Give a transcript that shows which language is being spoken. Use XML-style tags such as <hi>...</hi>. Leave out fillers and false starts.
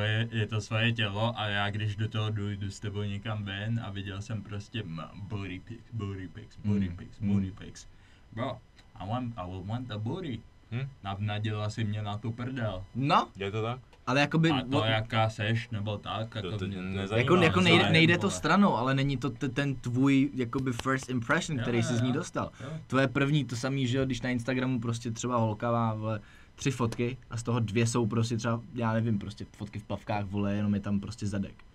<cs>Je to svoje tělo a já když do toho jdu s tebou někam ven a viděl jsem prostě</cs> <en>booty pics. Bro, I will want the booty.</en> <cs>Nadělal si mě na tu prdel. No. Je to tak? Ale jakoby... A to jaká seš, nebo tak, jako nejde to stranou, ale není to ten tvůj jakoby</cs> <en>first impression,</en> <cs>který jsi z ní dostal. Tvoje první, to samý, že jo, když na Instagramu prostě třeba holka má, vole, 3 fotky a z toho 2 jsou prostě třeba, já nevím, prostě fotky v plavkách, vole, jenom je tam prostě zadek.</cs>